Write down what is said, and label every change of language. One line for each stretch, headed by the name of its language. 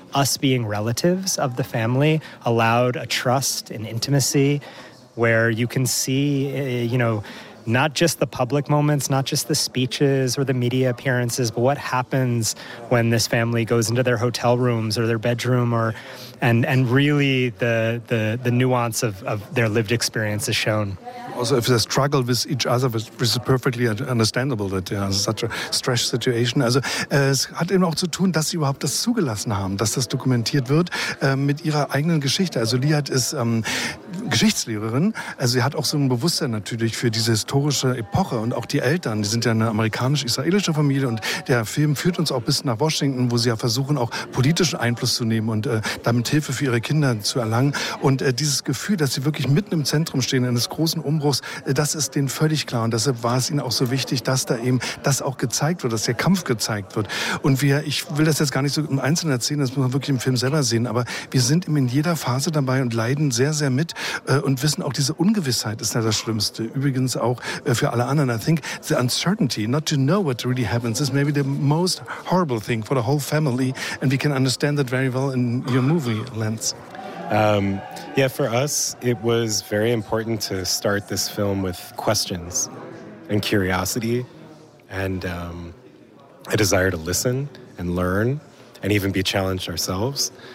English: Us being relatives of the family allowed a trust and intimacy where you can see, you know, not just the public moments, not just the speeches or the media appearances, but what happens when this family goes into their hotel rooms or their bedroom, or and really the nuance of their lived experience is shown. Also, if they struggle with each other, which is perfectly understandable, that they are such a stress situation.
German: Also, es hat eben auch zu tun, dass sie überhaupt das zugelassen haben, dass das dokumentiert wird mit ihrer eigenen Geschichte. Also, Liat ist Geschichtslehrerin. Also, sie hat auch so ein Bewusstsein natürlich für diese historische Epoche. Und auch die Eltern, die sind ja eine amerikanisch-israelische Familie. Und der Film führt uns auch bis nach Washington, wo sie ja versuchen, auch politischen Einfluss zu nehmen und damit Hilfe für ihre Kinder zu erlangen. Und dieses Gefühl, dass sie wirklich mitten im Zentrum stehen, in des großen Umbruchs, das ist denen völlig klar. Und deshalb war es ihnen auch so wichtig, dass da eben das auch gezeigt wird, dass der Kampf gezeigt wird. Und ich will das jetzt gar nicht so im Einzelnen erzählen, das muss man wirklich im Film selber sehen, aber wir sind eben in jeder Phase dabei und leiden sehr, sehr mit und wissen auch, diese Ungewissheit ist ja das Schlimmste. Übrigens auch für alle anderen.
English: I think the uncertainty, not to know what really happens, is maybe the most horrible thing for the whole family. And we can understand that very well in your movie, Lance. Yeah, for us, it was very important to start this film with questions and curiosity and a desire to listen and learn and even be challenged ourselves.